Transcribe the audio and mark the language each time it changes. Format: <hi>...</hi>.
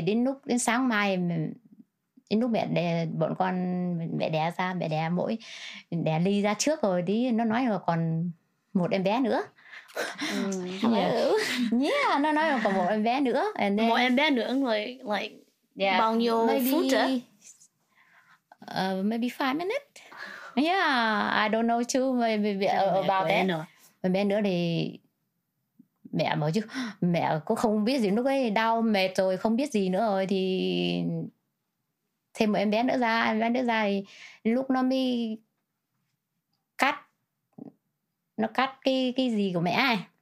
<vi>Đến sáng mai, đến lúc mẹ đè bọn con, mẹ đẻ ra, mẹ đẻ mỗi đẻ Ly ra trước rồi đi, nó nói là còn 1 em bé nữa. Yeah, nó nói là còn 1 em bé nữa.</vi> <en>And then,</en> <vi>1 em bé nữa rồi, like, yeah, bao nhiêu phút nữa?</vi> <en>Maybe 5 minutes. Yeah, I don't know too, maybe about that.</en> <vi>1 bé nữa thì mẹ bảo chứ mẹ cũng không biết gì, lúc ấy đau mệt rồi không biết gì nữa rồi thì thêm 1 em bé nữa ra. Em bé nữa ra thì lúc nó mới cắt cái gì của mẹ ấy,</vi>